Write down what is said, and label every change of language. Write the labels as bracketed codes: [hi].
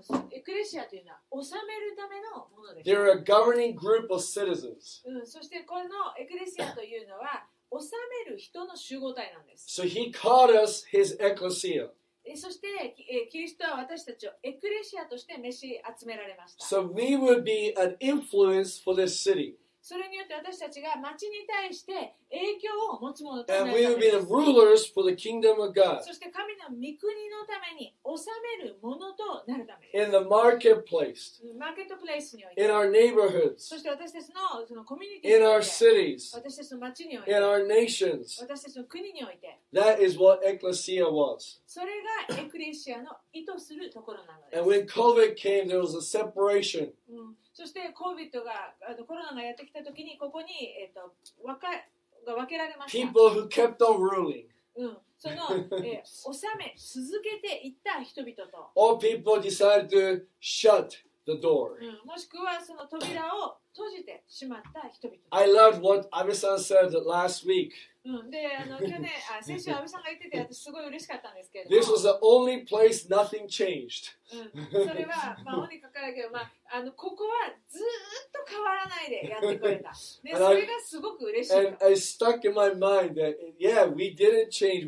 [ja] エクレシアというのは治めるためのものです。 [en] They're a governing group of citizens. [ja] そしてこのエクレシアというのは治める人の集合体なんです。 [en] So he called us his ecclesia. [ja] そして、キリストは私たちをエクレシアとして召し集められました。 [en] So we would be an influence for this city. [ja] それによって私たちが町に対して影響を持つものとなるためです。 [en] And we would be the rulers for the kingdom of God. [ja] そして神の御国のために治めるものとなるためです。 [en] In the marketplace. [ja] マーケットプレイスにおいて。 [en] In our neighborhoods. [ja] そして私たちの、そのコミュニティにおいて。 [en] In our cities. [ja] 私たちの町において。 [en] In our nations. [ja] 私たちの国において。 [en] That is what Ecclesia was. [ja] それがエクレシアの意図するところなのです。 [en] And when COVID came, there was a separation. [ja] そして COVID が、コロナがやってきたときに、ここに、が分けられました。 [en] People who kept on ruling. [ja] その、治め続けていった人々と。 [en] All people decided to shut the door. [ja] もしくはその扉を閉じてしまった人々。 [en] I loved what Abe-san said last week. [ja] で、去年、先週Abe-san が言ってて、私すごい嬉しかったんですけど。 [en] This was the only place nothing changed. [ja] それは、まあ、本にかかるけど、まあ、ここはずっと変わらないでやってくれた。で、それがすごく嬉しい。 [en] And I stuck in my mind that, yeah, we didn't change.